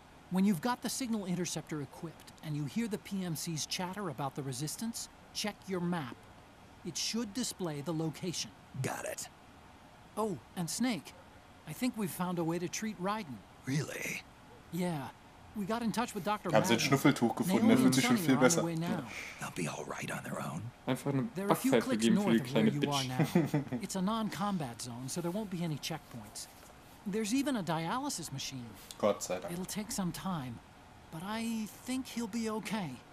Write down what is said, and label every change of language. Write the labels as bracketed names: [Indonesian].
[English] When you've got the signal interceptor equipped and you hear the PMC's chatter about the resistance, check your map. It should display the location. Got it. Oh, and Snake, I think we've found a way to treat Raiden. Really? Yeah. We got in touch with Dr. [German] Ich habe sein Schnuffeltuch gefunden, er fühlt sich schon viel besser. [English] They'll be all right on their own. [German] Einfach eine Backpfeife geben für die kleine Bitch. [English] It's a non-combat zone, so there won't be any checkpoints. There's even a dialysis machine. [German] Gott sei Dank. [English] It'll take some time, but I think he'll be okay.